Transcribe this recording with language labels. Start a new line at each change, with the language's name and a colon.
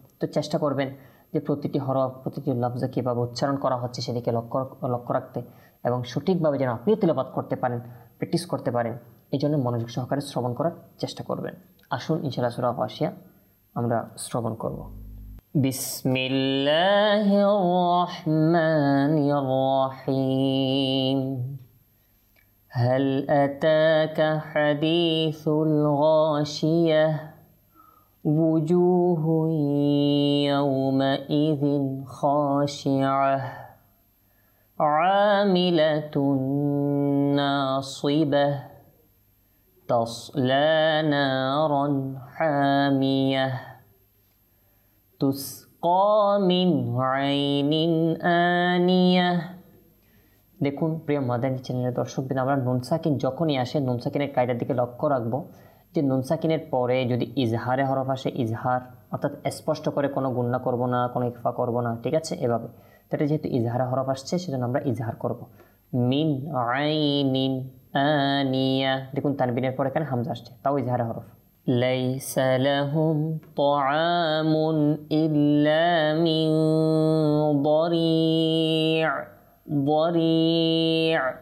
Bangla: তো চেষ্টা করবেন যে প্রতিটি হরফ, প্রতিটি লফজে কীভাবে উচ্চারণ করা হচ্ছে সেদিকে লক্ষ্য রাখতে, এবং সঠিকভাবে যেন আপনিও তিলাওয়াত করতে পারেন, প্র্যাকটিস করতে পারেন, এই জন্য মনোযোগ সহকারে শ্রবণ করার চেষ্টা করবেন। আসুন ইনশাল্লাহ সুরা গাশিয়া আমরা শ্রবণ করব।
Arabic: بسم الله الرحمن الرحيم هل أتاك حديث الغاشية وجوه يومئذ خاشعة عاملة ناصبة تصلى نارا حامية تسقى من عين آنية।
Bangla: দেখুন প্রিয় মাদানী চ্যানেলের দর্শকবৃন্দ, আমরা নুন সাকিন যখনই আসে নুন সাকিনের কায়দার দিকে লক্ষ্য রাখব যে নুন সাকিনের পরে যদি ইজহারে হরফ আসে ইজহার, অর্থাৎ স্পষ্ট করে কোনো গুণনা করব না, কোনো ইকফা করব না, ঠিক আছে, এভাবে তাতে যেহেতু ইজহারে হরফ আসছে সেজন্য আমরা ইজহার করব। মিন আইনিন আনিয়া, দেখুন তানবিনের পরে এখানে হামজা আসছে, তাও ইজহারে হরফ।
Arabic: ليس لهم طعام إلا من ضريع ضريع